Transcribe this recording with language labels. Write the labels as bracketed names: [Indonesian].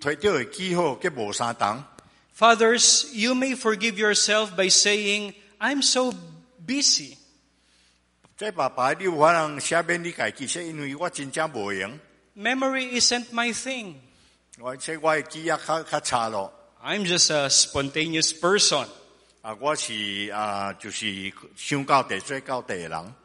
[Min Nan Chinese] 这个囡仔呢，伊底下会生气，因为伊摕到的记号皆无相同。 [English] Fathers, you may forgive yourself by saying, "I'm so busy." [Min Nan Chinese] 这爸爸，你有法通赦免你家己，是因为我真正无闲。 [English] Memory isn't my thing. [Min Nan Chinese] 我这我的记忆较差咯。 [English] I'm just a spontaneous person. [Min Nan Chinese] 我是就是想到地做到地的人。